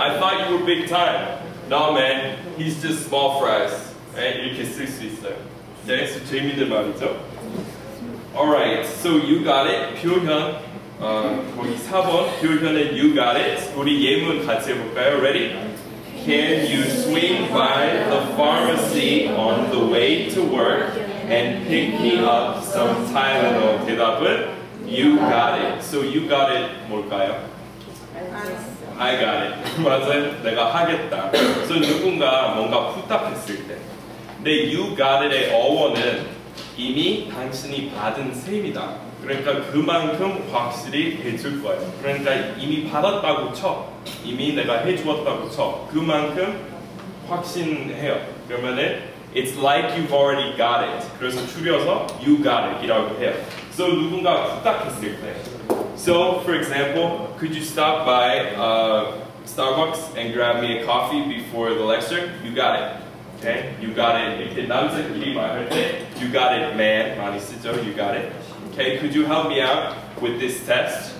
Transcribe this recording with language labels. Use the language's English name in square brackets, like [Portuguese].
[English] I thought you were big time. no man, he's just small fries. [Korean] 네, 이렇게 쓸 수 있어요. 네, 그래서 재미있는 말이죠. [English] Alright, so you got it. [Korean] 표현, 거기 4번 표현의 [English] you got it. [Korean] 우리 예문 같이 해볼까요? [English] Ready? Can you swing by the pharmacy on the way to work and pick me up some Tylenol? [Korean] 대답은 [English] you got it. So you got it [Korean] 뭘까요? [English] I got it. [Korean] 맞아요. 내가 하겠다. So 누군가 뭔가 부탁했을 때. 근데 [English] you got it [Korean] 의 어원은 이미 당신이 받은 셈이다. 그러니까 그만큼 확실히 해줄 거예요. 그러니까 이미 받았다고 쳐. 이미 내가 해주었다고 쳐. 그만큼 확신해요. 그러면은 [English] it's like you've already got it. [Korean] 그래서 줄여서 you got it 이라고 해요. So 누군가 부탁했을 때. [English] So for example, could you stop by Starbucks and grab me a coffee before the lecture? You got it. Okay, you got it. [Korean] 이렇게 남자끼리 말할 때 [English] you got it, man. [Korean] 많이 쓰죠, you got it. [English] Okay, could you help me out with this test?